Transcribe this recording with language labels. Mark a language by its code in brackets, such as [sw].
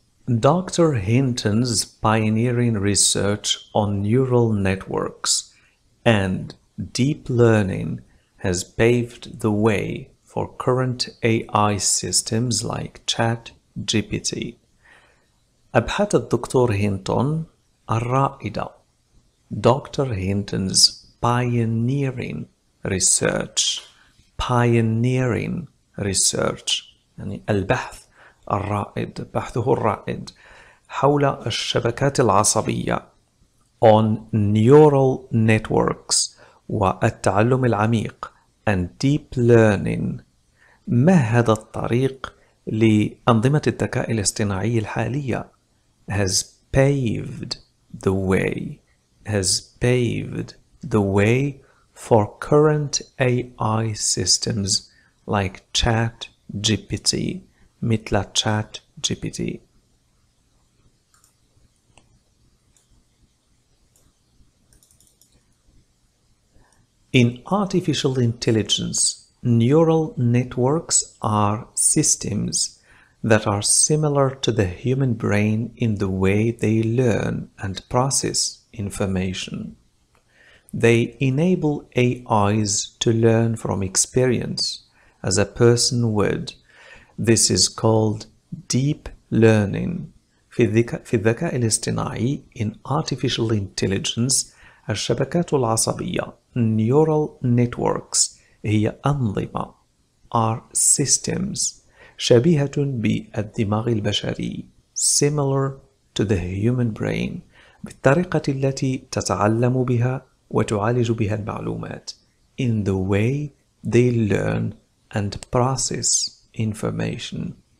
[en] Dr. Hinton's pioneering research on neural networks and deep learning has paved the way for current AI systems like ChatGPT. [ar] أبحاث الدكتور هينتون الرائدة. [en] Dr. Hinton's pioneering research. Pioneering research. [ar] يعني البحث الرائد، بحثه الرائد حول الشبكات العصبية. [en] On neural networks. [ar] والتعلم العميق. [en] And deep learning. [ar] ما هذا الطريق لأنظمة الذكاء الاصطناعي الحالية؟ [en] Has paved the way. Has paved the way for current AI systems like ChatGPT. [ar] مثل ChatGPT. [en] In artificial intelligence, neural networks are systems that are similar to the human brain in the way they learn and process information. They enable AIs to learn from experience as a person would. This is called deep learning. [ar] في الذكاء الاصطناعي, [en] in artificial intelligence, [ar] الشبكات العصبية, [en] neural networks, [ar] هي أنظمة, [en] are systems, [ar] شبيهة بالدماغ البشري, [en] similar to the human brain, [ar] بالطريقة التي تتعلم بها وتعالج بها المعلومات, [en] in the way they learn and process information.